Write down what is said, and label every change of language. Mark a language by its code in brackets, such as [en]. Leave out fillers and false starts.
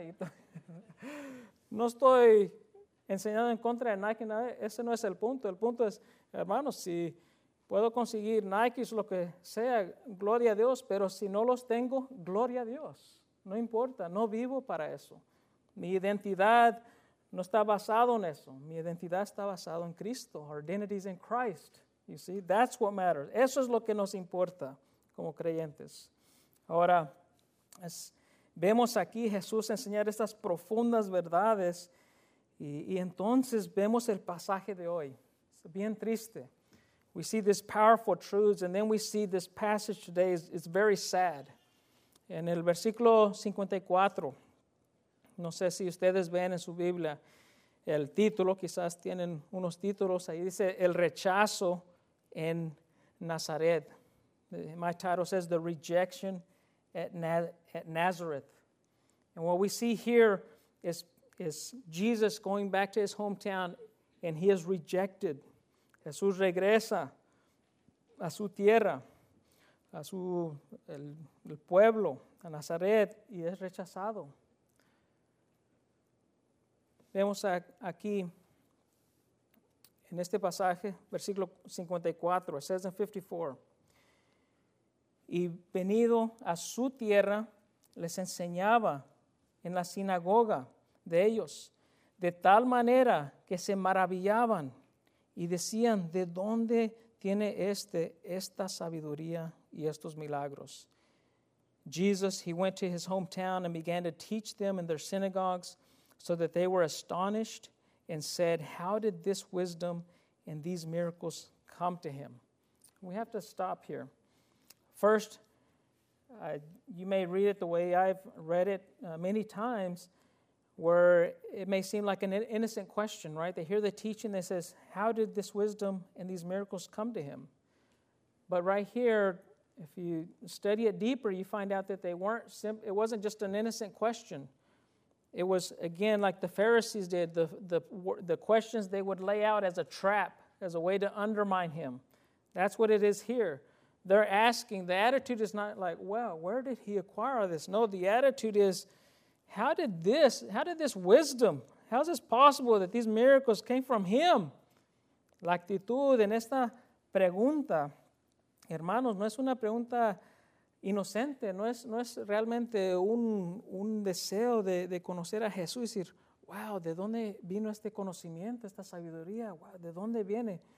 [es] Y no estoy enseñando en contra de Nike, nada. Ese no es el punto. El punto es, hermanos, si puedo conseguir Nikes, lo que sea, gloria a Dios, pero si no los tengo, gloria a Dios. No importa, no vivo para eso. Mi identidad no está basado en eso. Mi identidad está basado en Cristo. [en] Our identity is in Christ. You see, that's what matters. [es] Eso es lo que nos importa como creyentes. Ahora, vemos aquí Jesús enseñar estas profundas verdades y entonces vemos el pasaje de hoy. Es bien triste. [en] We see these powerful truths and then we see this passage today is very sad. [es] En el versículo 54, no sé si ustedes ven en su Biblia el título, quizás tienen unos títulos, ahí dice el rechazo en Nazaret. [en] My title says The Rejection at Nazareth. And what we see here is Jesus going back to his hometown and he is rejected. [es] Jesús regresa a su tierra, a su el pueblo, a Nazaret, y es rechazado. Vemos aquí en este pasaje, versículo 54, [en] it says in 54, [es] y venido a su tierra, les enseñaba en la sinagoga de ellos, de tal manera que se maravillaban y decían, ¿de dónde tiene esta sabiduría y estos milagros? [en] Jesus, he went to his hometown and began to teach them in their synagogues so that they were astonished and said, how did this wisdom and these miracles come to him? We have to stop here. First, you may read it the way I've read it many times, where it may seem like an innocent question, right? They hear the teaching that says, how did this wisdom and these miracles come to him? But right here, if you study it deeper, you find out that it wasn't just an innocent question. It was, again, like the Pharisees did, the questions they would lay out as a trap, as a way to undermine him. That's what it is here. They're asking, the attitude is not like, well, where did he acquire this? No, the attitude is, how did this wisdom, how is this possible that these miracles came from him? [es] La actitud en esta pregunta, hermanos, no es una pregunta inocente, no es realmente un deseo de conocer a Jesús y decir, wow, ¿de dónde vino este conocimiento, esta sabiduría? Wow, ¿de dónde viene?